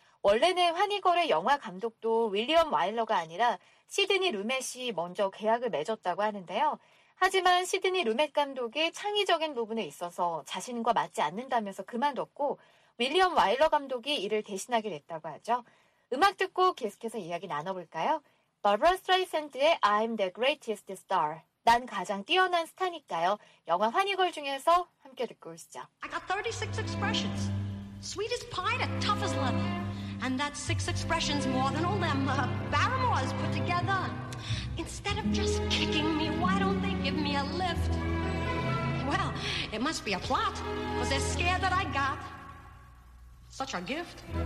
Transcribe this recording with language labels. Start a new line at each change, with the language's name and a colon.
Korean: 원래는 환희걸의 영화 감독도 윌리엄 와일러가 아니라 시드니 루멧이 먼저 계약을 맺었다고 하는데요. 하지만 시드니 루멧 감독이 창의적인 부분에 있어서 자신과 맞지 않는다면서 그만뒀고 윌리엄 와일러 감독이 이를 대신하게 됐다고 하죠. 음악 듣고 계속해서 이야기 나눠볼까요? 바브라 스트라이샌드의 I'm the greatest star. 난 가장 뛰어난 스타니까요. 영화 환희걸 중에서 함께 듣고 오시죠.
English: I got 36 expressions. Sweet as pie to tough as leather. And that's six expressions more than all them Barrymores put together. Instead of just kicking me, why don't they give me a lift? Well, it must be a plot. Was they scared that I got such a gift?